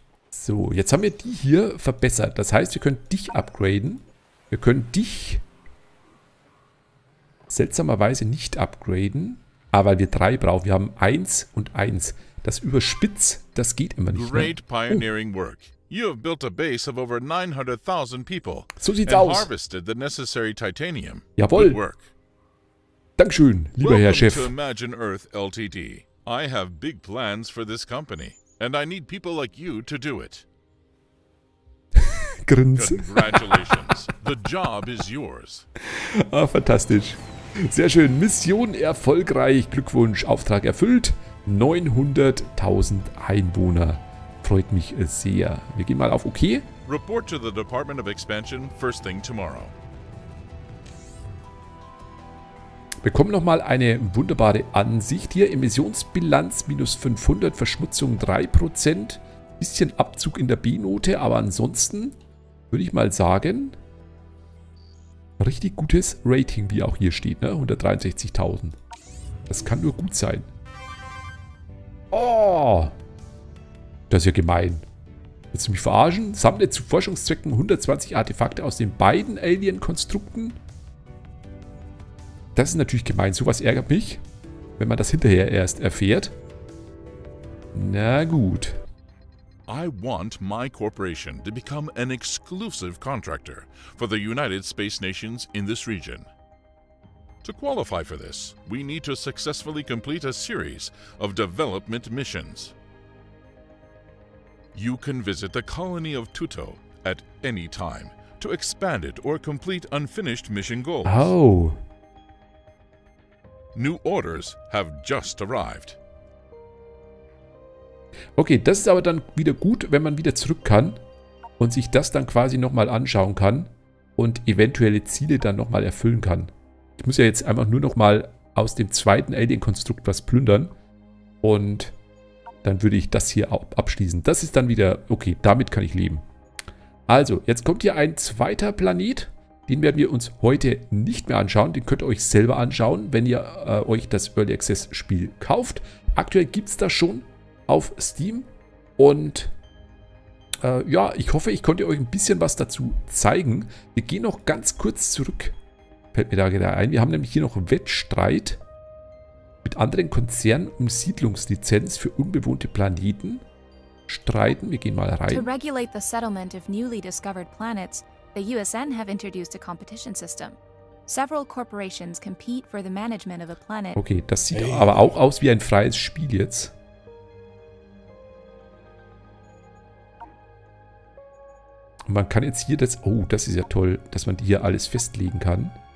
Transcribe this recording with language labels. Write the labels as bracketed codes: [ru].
[de] So, jetzt haben wir die hier verbessert. Das heißt, wir können dich upgraden. Wir können dich seltsamerweise nicht upgraden. Ah, weil wir drei brauchen. Wir haben eins und eins. Das überspitzt, das geht immer nicht. [en] Great pioneering work. You have built a base of over 900,000 people. [de] So sieht's aus. [en] And harvested the necessary titanium. [de] Jawohl. [en] Good work. [de] Dankeschön, lieber Herr Chef. [en] Welcome to Imagine Earth LTD. I have big plans for this company. And I need people like you to do it. [de] Grinsen. [en] Congratulations. The job is yours. [de] Oh, fantastisch. Sehr schön. Mission erfolgreich. Glückwunsch. Auftrag erfüllt. 900.000 Einwohner. Freut mich sehr. Wir gehen mal auf OK. [en] Report to the Department of Expansion first thing tomorrow. [de] Bekommen nochmal eine wunderbare Ansicht hier. Emissionsbilanz minus 500, Verschmutzung 3%. Bisschen Abzug in der B-Note, aber ansonsten würde ich mal sagen, richtig gutes Rating, wie auch hier steht, ne? 163.000. Das kann nur gut sein. Oh! Das ist ja gemein. Willst du mich verarschen? Sammle zu Forschungszwecken 120 Artefakte aus den beiden Alien-Konstrukten. Das ist natürlich gemein. Sowas ärgert mich, wenn man das hinterher erst erfährt. Na gut. [en] I want my corporation to become an exclusive contractor for the United Space Nations in this region. To qualify for this, we need to successfully complete a series of development missions. You can visit the colony of Tuto at any time to expand it or complete unfinished mission goals. Oh. New orders have just arrived. [de] Okay, das ist aber dann wieder gut, wenn man wieder zurück kann und sich das dann quasi nochmal anschauen kann und eventuelle Ziele dann nochmal erfüllen kann. Ich muss ja jetzt einfach nur nochmal aus dem zweiten Alien-Konstrukt was plündern und dann würde ich das hier abschließen. Das ist dann wieder, okay, damit kann ich leben. Also, jetzt kommt hier ein zweiter Planet, den werden wir uns heute nicht mehr anschauen. Den könnt ihr euch selber anschauen, wenn ihr euch das Early Access Spiel kauft. Aktuell gibt es das schon auf Steam und ja, ich hoffe, ich konnte euch ein bisschen was dazu zeigen. Wir gehen noch ganz kurz zurück, fällt mir da gerade ein. Wir haben nämlich hier noch Wettstreit mit anderen Konzernen um Siedlungslizenz für unbewohnte Planeten. Streiten, wir gehen mal rein. [en] To regulate the settlement of newly discovered planets, the USN have introduced a competition system. Several corporations compete for the management of a planet. [de] Okay, das sieht aber auch aus wie ein freies Spiel jetzt. Und man kann jetzt hier das... Oh, das ist ja toll, dass man hier alles festlegen kann.